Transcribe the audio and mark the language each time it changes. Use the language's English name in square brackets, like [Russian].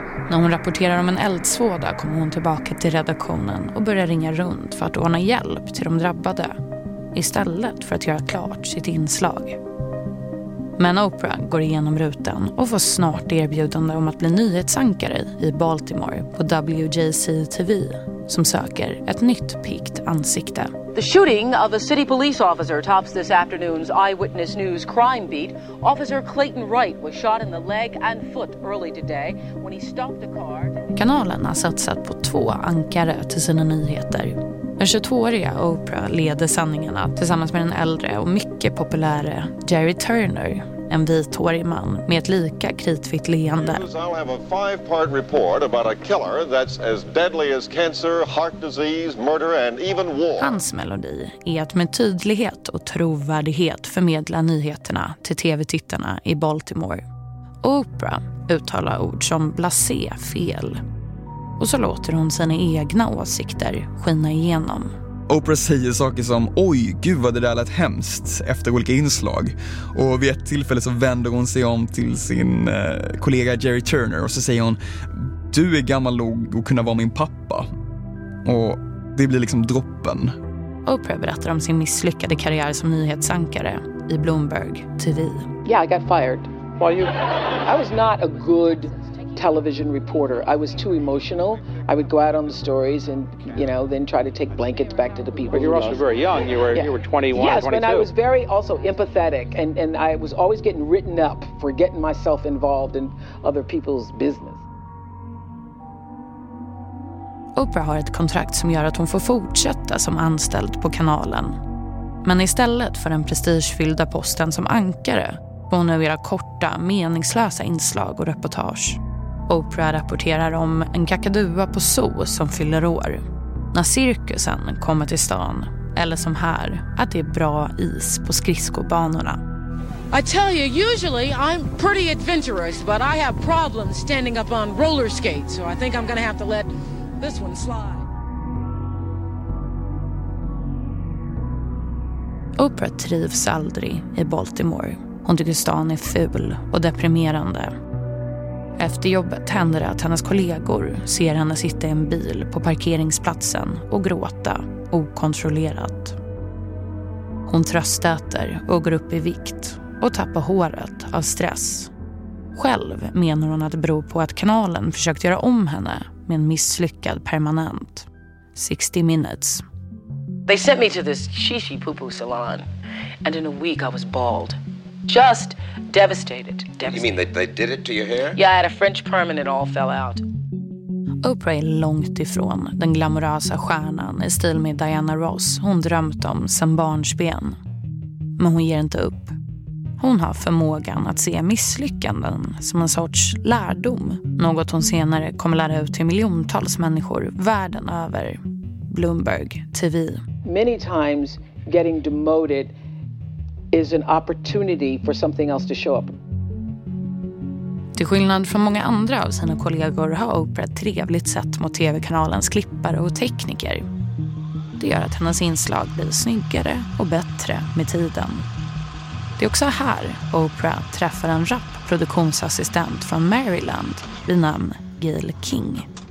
[Swedish] När hon rapporterar om en eldsvåda kommer hon tillbaka till redaktionen och börjar ringa runt för att ordna hjälp till de drabbade. Istället för att göra klart sitt inslag. Men Oprah går igenom rutan och får snart erbjudande om att bli nyhetsankare i Baltimore på WJC-TV som söker ett nytt pikt ansikte. [English] The shooting of a city police officer tops this afternoon's Eyewitness News crime beat. Officer Clayton Wright was shot in the leg and foot early today when he stopped a car. [Swedish] Kanalen har satsat på två ankare till sina nyheter. Den 22-åriga Oprah leder sändningarna tillsammans med den äldre och mycket populära Jerry Turner, en vithårig man med ett lika kritvitt leende. [English] I'll have a 5-part report about a killer that's as deadly as cancer, heart disease, murder and even war. [Swedish] Hans melodi är att med tydlighet och trovärdighet förmedla nyheterna till tv-tittarna i Baltimore. Oprah uttalar ord som blasé fel. Och så låter hon sina egna åsikter skina igenom. Oprah säger saker som, oj gud vad det där lät hemskt, efter olika inslag. Och vid ett tillfälle så vänder hon sig om till sin kollega Jerry Turner. Och så säger hon, du är gammal nog att kunna vara min pappa. Och det blir liksom droppen. Oprah berättar om sin misslyckade karriär som nyhetsankare i Bloomberg TV. [English] Yeah, I got fired. Well, I was not a good television reporter. I was too emotional. I would go out on the stories and, you know, then try to take blankets back to the people. But you were also very young. You were 21, yes, Yes, but I was very also empathetic and I was always getting written up for getting myself involved in other people's business. [Swedish] Oprah har ett kontrakt som gör att hon får fortsätta som anställd på kanalen. Men istället för den prestigefyllda posten som ankare får hon nu göra korta, meningslösa inslag och reportage. Oprah rapporterar om en kakadua på zoo som fyller år. När cirkusen kommer till stan eller som här, att det är bra is på skridskobanorna. [English] I tell you, usually I'm pretty adventurous, but I have problems standing up on roller skates, so I think I'm gonna have to let this one slide. [Swedish] Oprah trivs aldrig i Baltimore. Hon tycker stan är ful och deprimerande. Efter jobbet händer det att hennes kollegor ser henne sitta i en bil på parkeringsplatsen och gråta okontrollerat. Hon tröstäter och går upp i vikt och tappar håret av stress. Själv menar hon att det beror på att kanalen försökt göra om henne med en misslyckad permanent. [English] 60 Minutes. They sent me to this shishi poo-poo salon and in a week I was bald. Just devastated. You mean they did it to your hair? Yeah, I had a French perm and it all fell out. [Swedish] Oprah är långt ifrån den glamorösa stjärnan i stil med Diana Ross hon drömt om sedan barnsben. Men hon ger inte upp. Hon har förmågan att se misslyckanden som en sorts lärdom. Något hon senare kommer lära ut till miljontals människor världen över. [English] Bloomberg TV. Many times getting demoted is an opportunity for something else to show up. [Swedish] Till skillnad från många andra av sina kollegor har Oprah ett trevligt sätt mot tv-kanalens klippare och tekniker. Det gör att hennes inslag blir snyggare och bättre med tiden. Det är också här Oprah träffar en rapproduktionsassistent från Maryland vid namn Gail King.